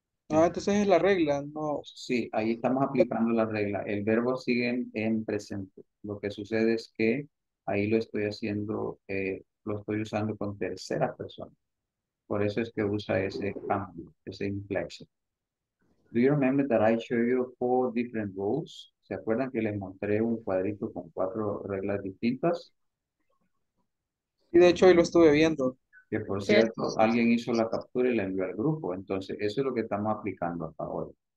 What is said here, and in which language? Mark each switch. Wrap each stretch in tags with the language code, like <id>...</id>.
<es>Ah, entonces es la regla, no. Sí, ahí estamos aplicando la regla. El verbo sigue en presente. Lo que sucede es que ahí lo estoy haciendo, lo estoy usando con tercera persona. Por eso es que usa ese cambio, ese inflection.</es> <en>Do you remember that I showed you 4 different rules?</en> <es>¿Se acuerdan que les mostré un cuadrito con 4 reglas distintas? Sí, de hecho, hoy lo estuve viendo. Que por cierto, alguien hizo la captura y la envió al grupo. Entonces, eso es lo que estamos aplicando hasta hoy.</es>